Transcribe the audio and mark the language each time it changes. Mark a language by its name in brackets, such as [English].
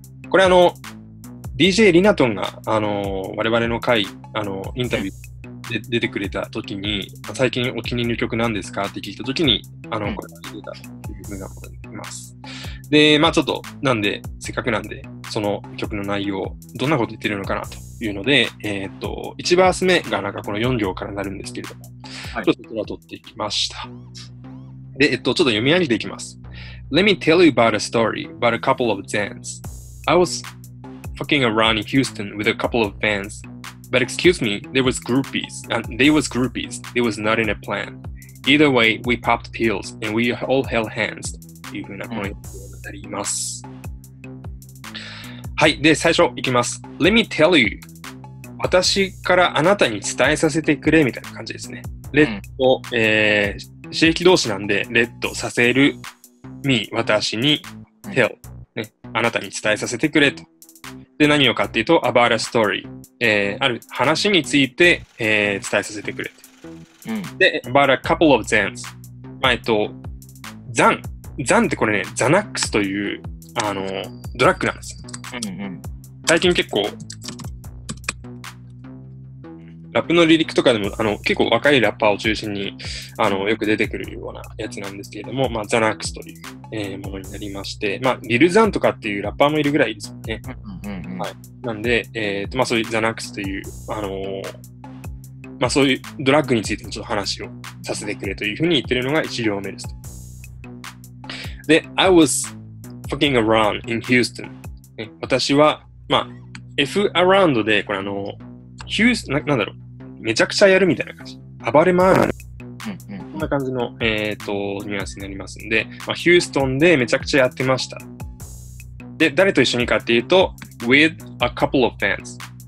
[Japanese] これDJ リナトンが、我々の回、インタビューで出てくれた時に、最近お気に入りの曲なんですかって聞いた時に、これが出たというふうなことになります。で、まぁ、ちょっと、なんで、せっかくなんで、その曲の内容、どんなこと言ってるのかなというので、1バース目がなんかこの4行からなるんですけれども、はい、ちょっとそれは撮ってきました。で、ちょっと読み上げていきます。 [English] Let me tell you about a story, about a couple of Zans. I was fucking around in Houston with a couple of fans, but excuse me, there was groupies, and they was groupies, it was not in a plan. Either way, we popped pills, and we all held hands, [Japanese] というふうなポイントになります。はい、で、最初いきます。 [English] Let me tell you, [Japanese] 私からあなたに伝えさせてくれ、みたいな感じですね。 Let を、刺激動詞なんで、Let させる、me、私に、tell。あなたに伝えさせてくれと。で、何をかっていうと、 [English] about a story、 [Japanese] ある話について、伝えさせてくれと、うん。で、 [English] about a couple of zans、 [Japanese] まあ。ザンってこれね、ザナックスというドラッグなんです、うんうん。最近結構、ラップのリリックとかでも結構若いラッパーを中心によく出てくるようなやつなんですけれども、まあ、ザナックスという。ものになりまして、まあ、リルザンとかっていうラッパーもいるぐらいですよね。うんうんうん、はい。なんで、まあ、そういうザナックスという、まあ、そういうドラッグについてのちょっと話をさせてくれというふうに言ってるのが1行目ですと。で、 [English] I was fucking around in Houston、 [Japanese] ね。私は、まあ、F around で、これHouston、なんだろう、めちゃくちゃやるみたいな感じ。暴れ回る。こんな感じの、ニュアンスになりますんで、まあ、ヒューストンでめちゃくちゃやってました。で、誰と一緒にかっていうと、 [English] with a couple of fans。